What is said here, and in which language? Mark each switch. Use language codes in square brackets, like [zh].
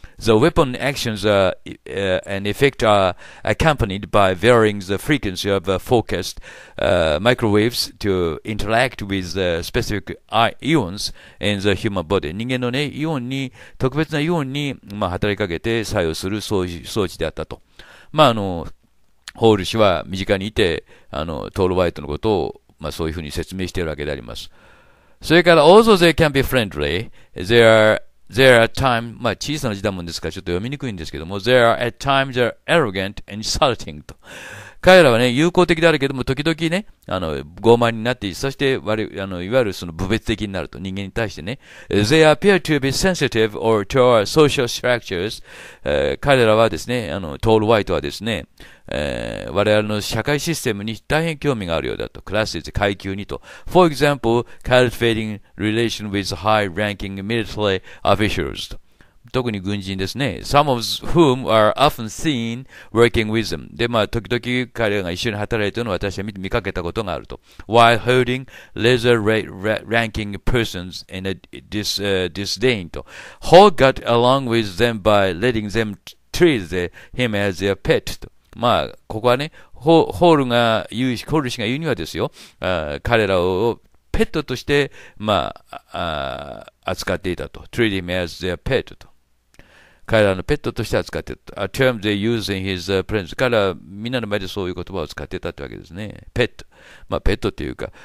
[en] The weapon actions and effect are accompanied by varying the frequency of focused microwaves to interact with specific ions in the human body. [ja] 人間のね、イオンに、特別なイオンに、まあ、働きかけて作用する装置であったと。まあ、ホール氏は身近にいて、トールワイトのことを、まあ、そういうふうに説明しているわけであります。それから、 [en] although they can be friendly, There are times, [ja] まあ小さな字だもんですからちょっと読みにくいんですけども、 [en] There are at times they're arrogant and insulting と。 [ja] 彼らはね、友好的であるけども、時々ね、傲慢になって、そして、いわゆるその侮蔑的になると、人間に対してね。 [en] They appear to be sensitive or to our social structures. [ja] 彼らはですね、トールワイトはですね、我々の社会システムに大変興味があるようだと。クラスで階級にと。 [en] For example, cultivating relation with high ranking military officials. [ja] 特に軍人ですね。 [en] Some of whom are often seen working with them. [ja] で、まあ、時々彼らが一緒に働いているのを私は見かけたことがあると。 [en] While holding lesser ranking persons in a disdain と。 Hall got along with them by letting them treat him as their pet と。 [ja] まあ、ここはね、ホール氏が言うにはですよ、彼らをペットとして、まあ、扱っていたと。 [en] treat him as their pet [ja] と。彼らのペットとして扱っていたと。 [en] a term they use in his presence. [ja] 彼らはみんなの前でそういう言葉を使っていたってわけですね。ペット。まあ、ペットっていうか。